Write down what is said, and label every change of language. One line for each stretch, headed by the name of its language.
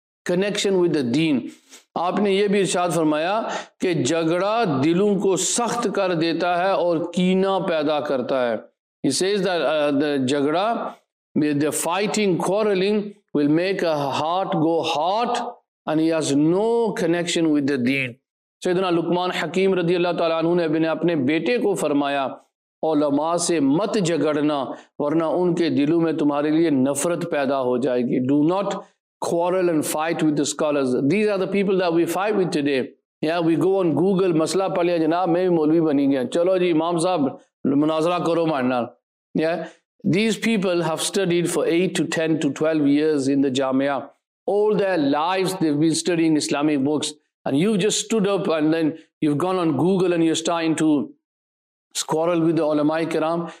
English: connection with the deen
Urdu: آپ نے یہ بھی ارشاد فرمایا کہ جھگڑا دلوں کو سخت کر دیتا ہے اور کینہ پیدا کرتا ہے
English: He says that جھگڑا the fighting, quarreling will make a heart go hot and he has no connection with the deen.
Urdu: Sayyidina Luqman Hakim رضی اللہ تعالیٰ عنہ نے اپنے بیٹے کو فرمایا علماء سے مت جگڑنا ورنہ ان کے دلوں میں تمہارے لئے نفرت پیدا ہو جائے گی.
English: Do not quarrel and fight with the scholars. These are the people that we fight with today. Yeah, we go on Google,
Urdu: مسئلہ پڑھ لیا جناب میں بھی مولوی بنی گیا. چلو جی امام صاحب مناظرہ کرو ماننا. Yeah.
English: These people have studied for 8 to 10 to 12 years in the Jamia. All their lives they've been studying Islamic books. And you've just stood up and then you've gone on Google and you're starting to squarrel with the ulama-i kiram.